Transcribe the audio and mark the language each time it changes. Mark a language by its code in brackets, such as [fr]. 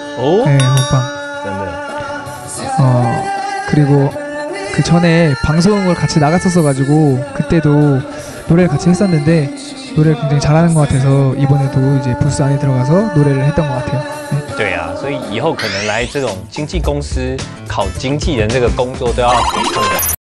[zh] 去上一个节目啊，就是那个电歌房的单元，然后经纪人也加入一起去唱歌这样子。啊，觉得经纪人唱的怎么样？他的唱歌很棒。哦，对，很棒。真的。 [ko] 그리고 그 전에 방송을 같이 나갔었어가지고 그때도 노래를 같이 했었는데 노래를 굉장히 잘하는 것 같아서 이번에도 이제 부스 안에 들어가서 노래를 했던 것 같아요. [zh] 对啊，所以以后可能来这种经纪公司考经纪人这个工作都要回头的。